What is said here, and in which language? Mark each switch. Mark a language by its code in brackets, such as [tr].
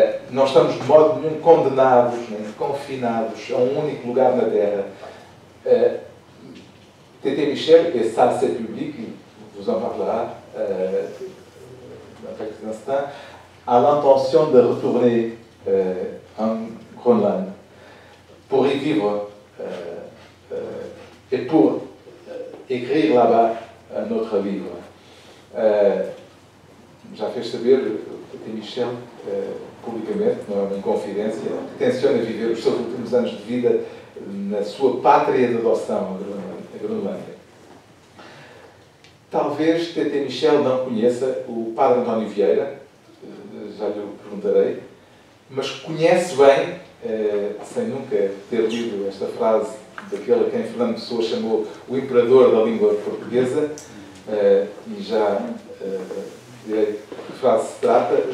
[pt] Nós estamos de modo nenhum condenados, nem confinados a um único lugar na Terra. T.T. [fr] Michel, que é Sarcet Public, vous en parlera dans quelques instants, a l'intention de retourner en Groenland pour y vivre et pour écrire là-bas un autre livre. [pt] Já fez saber, T.T. Michel, publicamente, não é uma confidência, que tenciona viver os seus últimos anos de vida na sua pátria de adoção, a Groenlândia. Talvez T.T. Michel não conheça o padre António Vieira, já lhe perguntarei, mas conhece bem, sem nunca ter lido esta frase daquele a quem Fernando Pessoa chamou o imperador da língua portuguesa, e já direi de que frase se trata.